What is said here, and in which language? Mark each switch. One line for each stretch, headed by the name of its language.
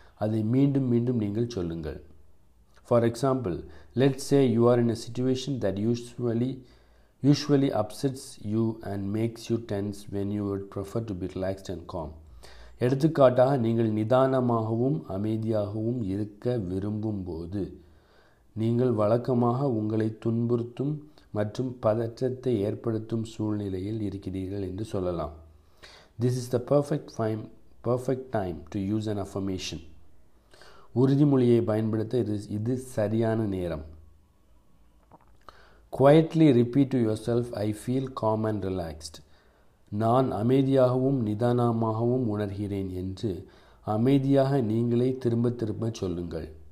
Tamil: அதை மீண்டும் மீண்டும் நீங்கள் சொல்லுங்கள்.
English: For example, let say you are in a situation that usually upsets you and makes you tense when you what prefer to be relaxed and calm.
Tamil: எடுத்துக்காட்டாக, நீங்கள் நிதானமாகவும் அமைதியாகவும் இருக்க விரும்பும் போது, நீங்கள் வழக்கமாக உங்களை துன்புறுத்தும் மற்றும் பதற்றத்தை ஏற்படுத்தும் சூழ்நிலையில் இருக்கிறீர்கள் என்று சொல்லலாம்.
English: This is the perfect time to use an affirmation.
Tamil: உறுதிமொழியை பயன்படுத்த இது சரியான நேரம்.
English: Quietly repeat to yourself, I feel calm and relaxed.
Tamil: நான் அமைதியாகவும் நிதானமாகவும் உணர்கிறேன் என்று அமைதியாக நீங்களே திரும்ப திரும்ப சொல்லுங்கள்.